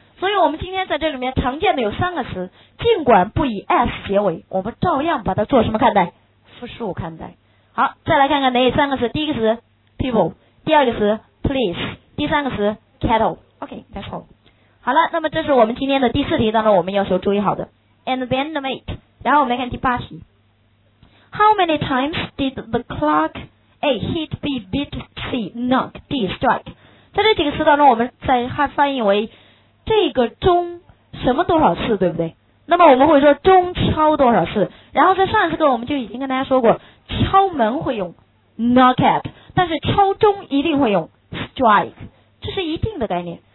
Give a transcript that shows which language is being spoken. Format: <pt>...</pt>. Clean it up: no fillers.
<zh>所以我们今天在这里面常见的有三个词，尽管不以 s 结尾，我们照样把它做什么看待？复数看待。好，再来看看哪三个词。第一个词 people， 第二个词 police， 第三个词 cattle。</zh> <en>OK， that's all。</en> <zh>好了，那么这是我们今天的第四题当中我们要求注意好的。</zh> <en>And then the mate，</en> <zh>然后我们来看第八题。</zh> <en>How many times did the clock A hit B beat C knock D strike？</en> <zh>在这几个词当中我们在翻译为这个钟什么多少次，对不对？那么我们会说钟敲多少次。然后在上一次课我们就已经跟大家说过，敲门会用 knock at， 但是敲钟一定会用 strike， 这是一定的概念。</zh>